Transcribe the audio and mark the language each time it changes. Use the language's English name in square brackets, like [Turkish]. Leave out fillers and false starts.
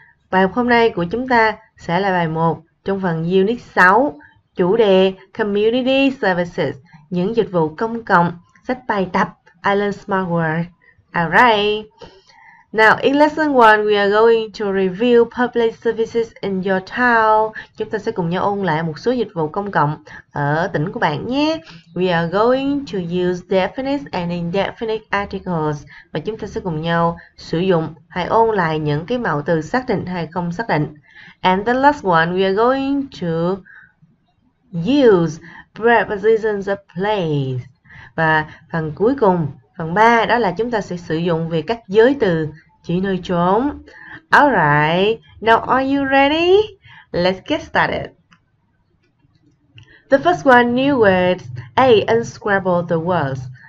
[Vietnamese] Bài học hôm nay của chúng ta sẽ là bài 1 trong phần Unit 6, chủ đề Community Services, những dịch vụ công cộng, sách bài tập, I Learned Smart Words. Alright. [English] Now, in lesson 1, we are going to review public services in your town. [Vietnamese] Chúng ta sẽ cùng nhau ôn lại một số dịch vụ công cộng ở tỉnh của bạn nhé. [English] We are going to use definite and indefinite articles. [Vietnamese] Và chúng ta sẽ cùng nhau sử dụng hay ôn lại những cái mẫu từ xác định hay không xác định. [English] And the last one, we are going to use prepositions of place. [Vietnamese] Và phần cuối cùng, phần 3 đó là chúng ta sẽ sử dụng về các giới từ chỉ nơi chốn. [English] Alright, now are you ready? Let's get started. The first one, new words. A, unscramble the words.